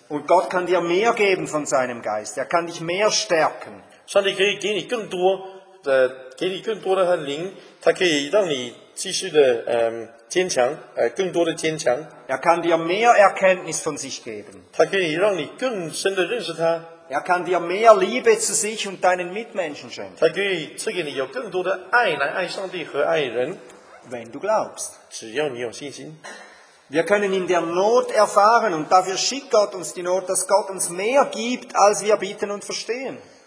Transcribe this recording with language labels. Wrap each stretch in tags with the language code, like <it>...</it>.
<de>Und Gott kann dir mehr geben von seinem Geist. Er kann dich mehr stärken.</de> <zh>上帝可以给你更多的，给你更多的他的灵，他可以让你继续的。坚强，更多的坚强。</zh> <de>Er kann dir mehr Erkenntnis von sich geben.</de> <zh>他可以让你更深的认识他。</zh> <de>Er kann dir mehr Liebe zu sich und deinen Mitmenschen schenken.</de> <zh>他可以赐给你有更多的爱来爱上帝和爱人。</zh> <de>Wenn du glaubst.</de> <zh>只要你有信心。</zh> <de>Wir können in der Not erfahren und dafür schickt Gott uns die Not, dass Gott uns mehr gibt, als wir bitten und verstehen.</de>